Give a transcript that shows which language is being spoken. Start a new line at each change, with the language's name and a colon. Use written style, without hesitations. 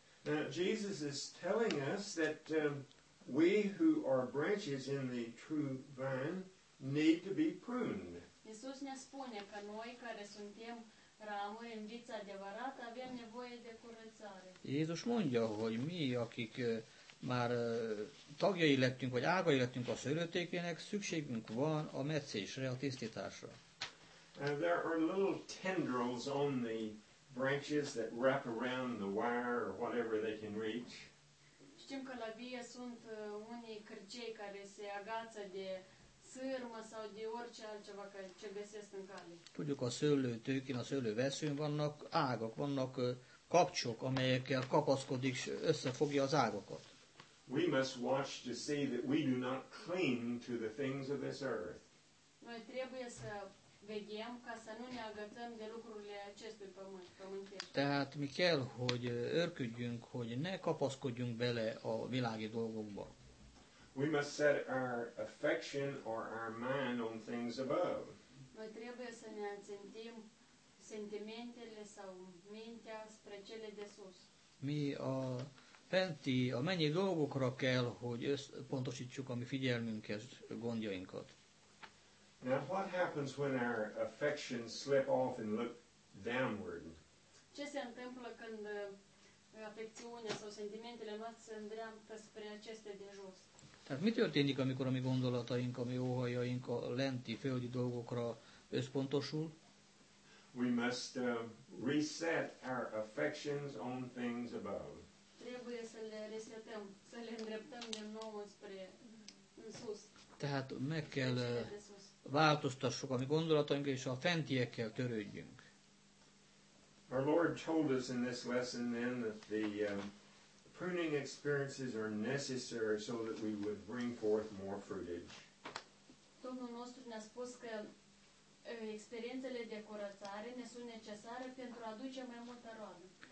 English: Now Jesus is telling us that we who are branches in the true vine need to be pruned.
Romanian: Iisus ne spune că noi care suntem ramuri în vița adevărată avem nevoie de curățare.
Hungarian: Jézus mondja, hogy mi, akik már tagjai lettünk, vagy ágai lettünk a szőlőtékének, szükségünk van a meccésre, a tisztításra.
English: There are little tendrils on the branches that wrap around the wire or whatever they can reach.
Romanian: Știm că la vie sunt unii cârcei care se agață de sârmă sau de orice altceva ce găsesc în cale.
Hungarian: Tudjuk, a szőlőtőkén, a szőlőveszőn vannak ágak, vannak kapcsok, amelyekkel kapaszkodik, összefogja az ágakat.
English: We must watch to see that we do not cling to the things of this earth.
Romanian: Noi trebuie să vedem ca să nu ne agățăm de lucrurile acestui pământ, pământesc.
Hungarian: Tehát mi kell, hogy örködjünk, hogy ne kapaszkodjunk bele a világi dolgokba.
English: We must set our affection or our mind on things above.
Romanian: Noi trebuie să ne ațintim sentimentele sau mintea spre cele de sus.
Hungarian: Mi a fenti, a mennyi dolgokra kell, hogy összpontosítsuk a mi figyelmünket, gondjainkat.
English: Now what happens when our affections slip off and look downward?
Romanian: Ce se întâmplă când afecțiunea sau sentimentele noastre se îndreaptă spre aceste de jos?
Hungarian: Tehát mi történik, amikor a mi gondolataink, a mi óhajaink a lenti, földi dolgokra összpontosul?
English: We must reset our affections on things above.
Romanian: Trebuie să le resetăm, să le îndreptăm din nou spre în sus.
Hungarian: Tehát meg kell változtassuk a mi gondolatainkat és a fentiekkel törődjünk.
English: Our Lord told us in this lesson then that the pruning experiences are necessary so that we would bring forth more fruitage.
Romanian: Domnul nostru ne-a spus că experiențele de curățare ne sunt necesare pentru a aduce mai multă roadă.